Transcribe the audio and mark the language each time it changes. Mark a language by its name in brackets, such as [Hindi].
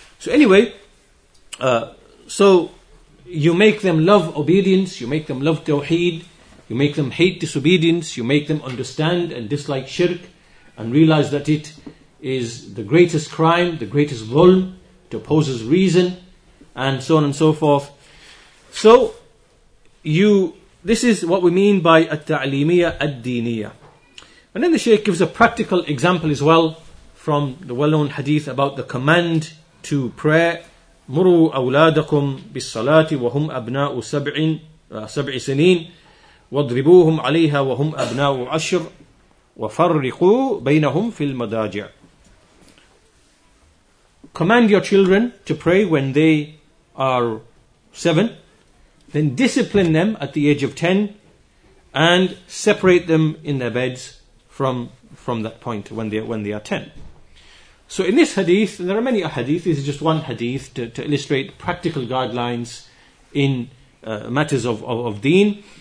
[English] So anyway, so you make them love obedience, you make them love Tawheed, you make them hate disobedience, you make them understand and dislike shirk, and realize that it is the greatest crime, the greatest zulm, it opposes reason, and so on and so forth. So this is what we mean by at-ta'limiyyah ad-diniyyah. And then the Shaykh gives a practical example as well from the well-known hadith about the command to prayer [Arabic] مروا أولادكم بالصلاة وهم أبناء سبع سنين واضربوهم عليها وهم أبناء عشر وفرقوا بينهم في المضاجع. [English] Command your children to pray when they are seven, then discipline them at the age of 10 and separate them in their beds from that point when they are 10. So in this hadith, and there are many hadith, this is just one hadith to illustrate practical guidelines in matters of deen.